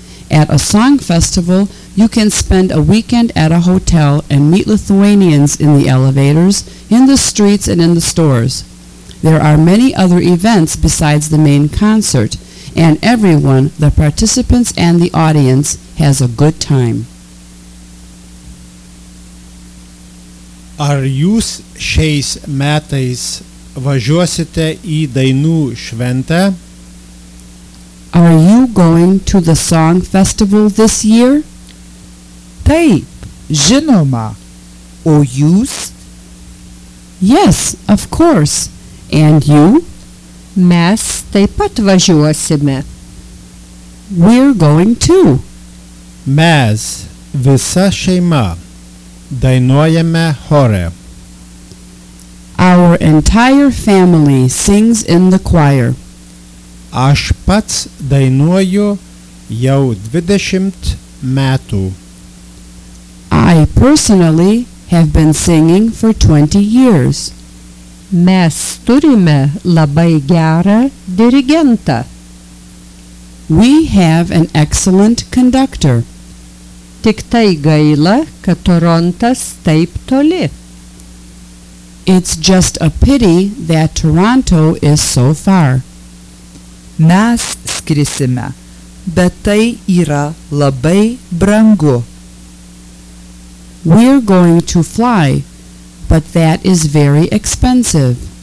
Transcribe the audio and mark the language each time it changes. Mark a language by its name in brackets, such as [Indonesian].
[English] At a song festival, you can spend a weekend at a hotel and meet Lithuanians in the elevators, in the streets, and in the stores. There are many other events besides the main concert, and everyone, the participants and the audience, has a good time. [Lithuanian] Ar jūs šiais metais važiuosite į Dainų šventę? [English] Are you going to the song festival this year? [Lithuanian] Taip, žinoma. O jūs? [English] Yes, of course. And you? [Lithuanian] Mes taip pat važiuosime. [English] We're going too. [Lithuanian] Mes, visa šeima, dainuojame chore. [English] Our entire family sings in the choir. [Lithuanian] Aš pats dainuoju jau 20 metų. [English] I personally have been singing for 20 years. [Lithuanian] Mes turime labai gerą dirigentą. [English] We have an excellent conductor. [Lithuanian] Tiktai gaila, kad Torontas taip toli. [English] It's just a pity that Toronto is so far. [Lithuanian] Mes skrisime, bet tai yra labai brangu. [English] We're going to fly, but that is very expensive.